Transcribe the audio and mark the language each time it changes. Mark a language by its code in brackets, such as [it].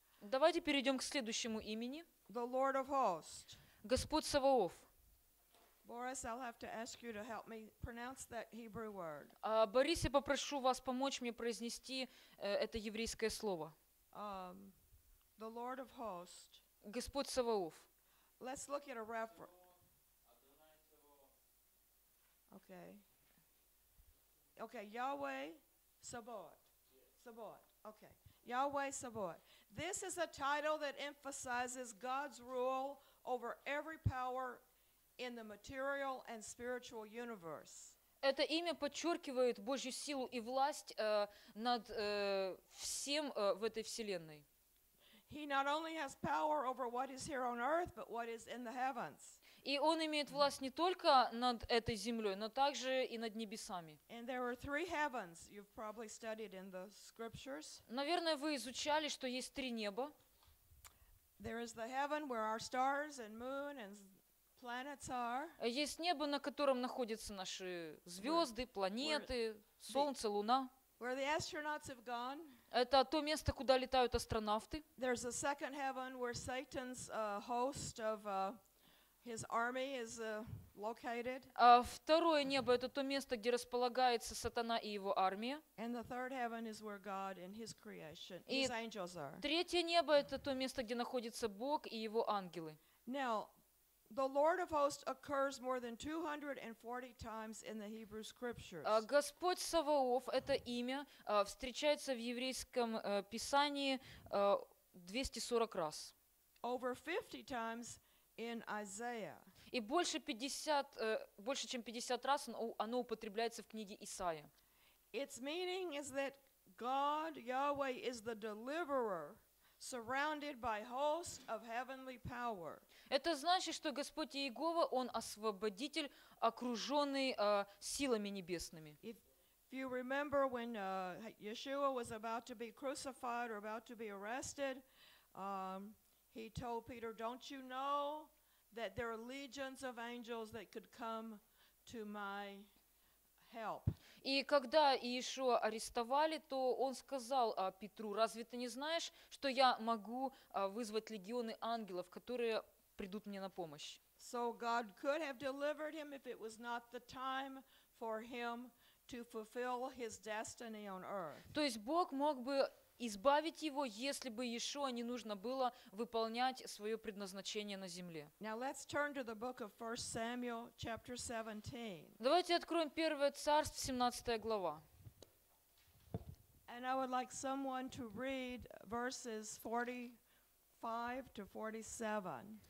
[ru] Давайте перейдем к следующему имени. [en] The Lord of Hosts. [ru] Господь Саваоф. [en] Boris, I'll have to ask you to help me pronounce that Hebrew word. [ru] Борис, я попрошу вас помочь мне произнести это еврейское слово. [en] The Lord of Hosts. [ru] Господь Саваоф. [en] Let's look at a reference. Okay. Okay, Yahweh Sabaoth. Yes. Sabaoth. Okay. Yahweh Sabaoth. This is a title that emphasizes God's rule over every power in the material and spiritual universe. [ru] Это имя подчеркивает Божью силу и власть над всем в этой вселенной. [en] He not only has power over what is here on earth, but what is in the heavens. [ru] И он имеет власть не только над этой землей, но также и над небесами. [en] And there are three heavens you've probably studied in the scriptures. [ru] Наверное, вы изучали, что есть три неба. [en] There is the heaven where our stars and moon and planets are. [ru] Есть небо, на котором находятся наши звезды, планеты, солнце, луна. [en] Where the astronauts have gone. [ru] Это то место, куда летают астронавты. [en] There's a second heaven where Satan's host of his army is located. [ru] Второе небо — это то место, где располагается сатана и его армия. [en] And the third heaven is where God and his creation, his angels are. [ru] Третье небо — это то место, где находится Бог и его ангелы. [en] Now, the Lord of hosts occurs more than 240 times in the Hebrew scriptures. [ru] Господь Саваоф — это имя, встречается в еврейском писании 240 раз. [en] Over 50 times in Isaiah. [ru] И больше 50, больше чем 50 раз оно употребляется в книге Исаия. [en] Its meaning is that God, Yahweh, is the deliverer, surrounded by hosts of heavenly power. [ru] Это значит, что Господь Иегова, Он освободитель, окруженный силами небесными. [en] If you remember when Yeshua was about to be crucified or about to be arrested, he told Peter, "Don't you know that there are legions of angels that could come to my help?" [ru] И когда Иешуа арестовали, то он сказал Петру, разве ты не знаешь, что я могу вызвать легионы ангелов, которые придут мне на помощь? [en] So God could have delivered him if it was not the time for him to fulfill his destiny on earth. [ru] То есть Бог мог бы избавить его, если бы Иешуа не нужно было выполнять свое предназначение на земле. [en] Now let's turn to the book of 1 Samuel, chapter 17. [ru] Давайте откроем Первое Царство, 17 глава. [en] And I would like someone to read verses 45 to 47.